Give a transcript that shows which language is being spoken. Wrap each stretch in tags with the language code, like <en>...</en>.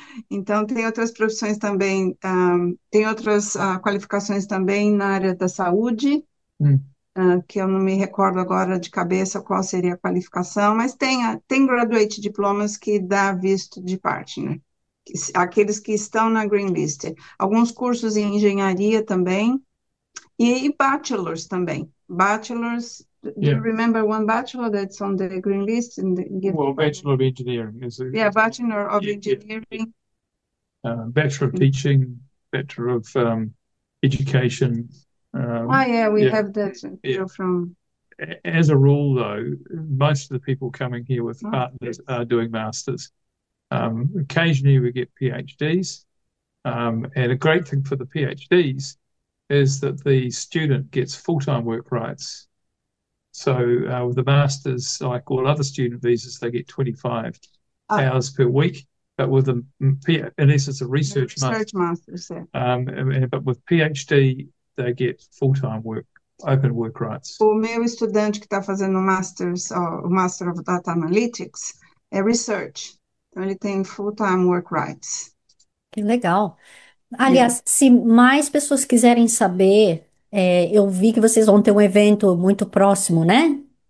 <pt>Então, tem outras profissões também, tem outras qualificações também na área da saúde, que eu não me recordo agora de cabeça qual seria a qualificação, mas tem graduate diplomas que dá visto de partner, aqueles que estão na green list. Alguns cursos em engenharia também, e bachelors também.</pt> <en>Bachelors, do you remember one bachelor that's on the green list and give? Well, Bachelor of Engineering is Yeah, Bachelor of Engineering. Bachelor of Teaching, Bachelor of Education. We have that from. As a rule, though, most of the people coming here with partners are doing masters. Occasionally, we get PhDs. And a great thing for the PhDs is that the student gets full-time work rights. So, with the masters, like all other student visas, they get 25 hours per week. But with the PhD, unless it's a research Research master said. but with PhD, they get full-time work, open work rights.</en> <pt>O meu estudante que está fazendo o Master of Data Analytics, é research. Então, ele tem</pt> <en>full-time work rights.</en> <pt>Que legal. Aliás, se mais pessoas quiserem saber, eu vi que vocês vão ter um evento muito próximo, né?</pt>